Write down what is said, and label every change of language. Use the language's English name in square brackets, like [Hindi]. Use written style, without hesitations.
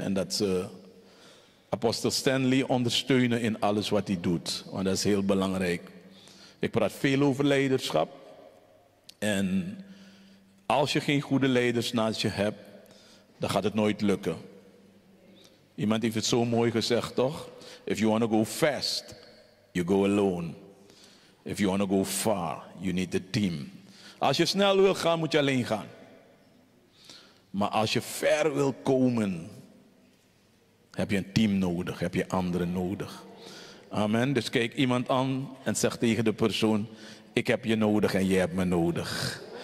[Dutch] En dat ze apostel Stanley ondersteunen in alles wat hij doet. Want dat is heel belangrijk. Ik praat veel over leiderschap. En als je geen goede leiders naast je hebt, dan gaat het nooit lukken. Iemand heeft het zo mooi gezegd, toch? [English] If you want to go fast, you go alone. If you want to go far, you need a team. [Dutch] Als je snel wil gaan, moet je alleen gaan. Maar als je ver wil komen, heb je een team nodig, heb je anderen nodig. Amen. Dus kijk iemand aan en zeg tegen de persoon, ik heb je nodig en jij hebt me nodig.